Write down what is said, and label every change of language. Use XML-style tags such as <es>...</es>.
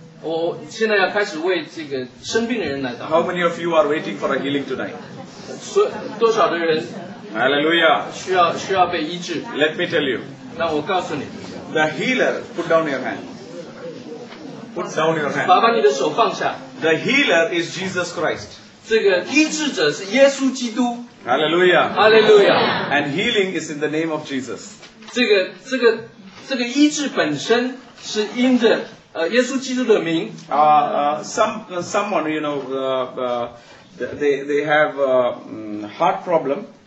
<zh>我现在要开始为这个生病的人来祷告。</zh> <en>How many of you are waiting for a healing tonight?</en> <zh>多少的人?</zh> <en>Hallelujah.</en> <zh>需要被医治。</zh> <en>Let me tell you.</en> <zh>那我告诉你。</zh> <en>The healer, put down your hand. Put down your hand.</en> <zh>把你的手放下。</zh> <en>The healer is Jesus Christ.</en> <zh>这个医治者是耶稣基督。</zh> <en>Hallelujah. Hallelujah. And healing is in the name of Jesus.</en> <zh>这个医治本身是因着耶稣基督的名。</zh> <en>Someone, you know, they have a heart problem.</en>